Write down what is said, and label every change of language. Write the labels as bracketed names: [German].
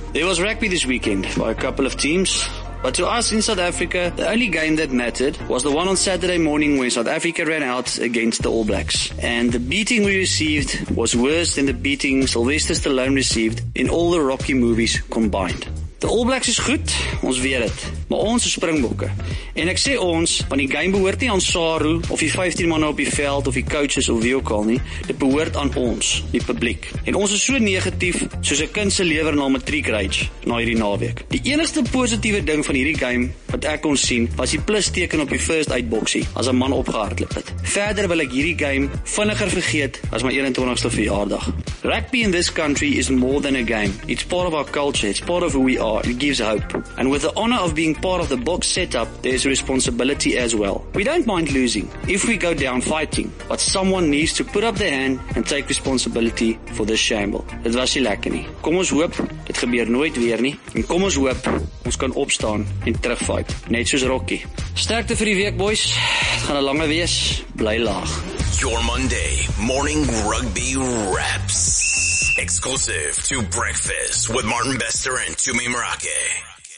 [English] There was rugby this weekend by a couple of teams. But to us in South Africa, the only game that mattered was the one on Saturday morning when South Africa ran out against the All Blacks. And the beating we received was worse than the beating Sylvester Stallone received in all the Rocky movies combined. [Afrikaans] The All Blacks is goed, ons weet het, maar ons is Springbokke. En ek sê ons, want die game behoort nie aan Saru, of die 15 manne op die veld, of die coaches, of wie ook al nie. Dit behoort aan ons, die publiek. En ons is so negatief, soos 'n kind se lewer na matriek rage, na hierdie naweek. Die enigste positiewe ding van hierdie game, wat ek kon sien, was die plusteken op die first eight boxie, as 'n man opgehardloop het. Verder wil ek hierdie game vinniger vergeet, as my 21ste verjaardag. [English] Rugby in this country is more than a game. It's part of our culture, it's part of who we are, it gives hope. And with the honor of being part of the box setup, there's responsibility as well. We don't mind losing, if we go down fighting, but someone needs to put up their hand and take responsibility for this shamble. [Afrikaans] Dit was nie lekker nie. Kom ons hoop, dit gebeur nooit weer nie. En kom ons hoop, ons kan opstaan en terugfight, net soos Rocky. Sterkte vir die week, boys. Het gaan 'n lange wees, bly laag. [English] Your Monday morning rugby wraps. Exclusive to Breakfast with Martin Bester and Tumi Marake.